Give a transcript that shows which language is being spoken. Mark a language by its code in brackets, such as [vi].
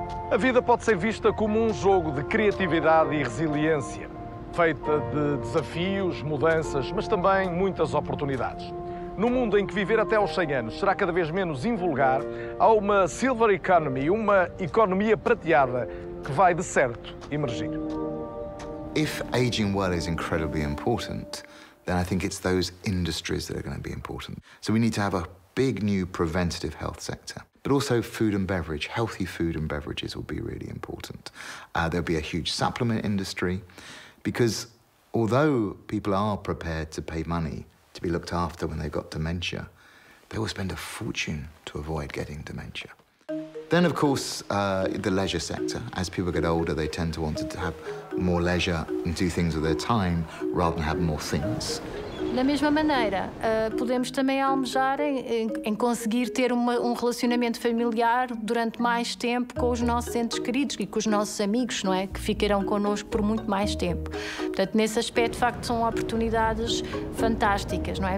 [pt] A vida pode ser vista como um jogo de criatividade e resiliência, feita de desafios, mudanças, mas também muitas oportunidades. No mundo em que viver até aos 100 anos será cada vez menos invulgar, há uma silver economy, uma economia prateada, que vai de certo emergir. [en] If aging well is incredibly important, then I think it's those industries that are going to be important. So we need to have a big new preventative health sector. But also food and beverage, healthy food and beverages will be really important. There'll be a huge supplement industry, because although people are prepared to pay money to be looked after when they've got dementia, they will spend a fortune to avoid getting dementia. Then, of course, the leisure sector. As people get older, they tend to want to have more leisure and do things with their time rather than have more things. [pt] Da mesma maneira, podemos também almejar em conseguir ter um relacionamento familiar durante mais tempo com os nossos entes queridos e com os nossos amigos, não é? Que ficarão connosco por muito mais tempo. Portanto, nesse aspecto, de facto, são oportunidades fantásticas, não é?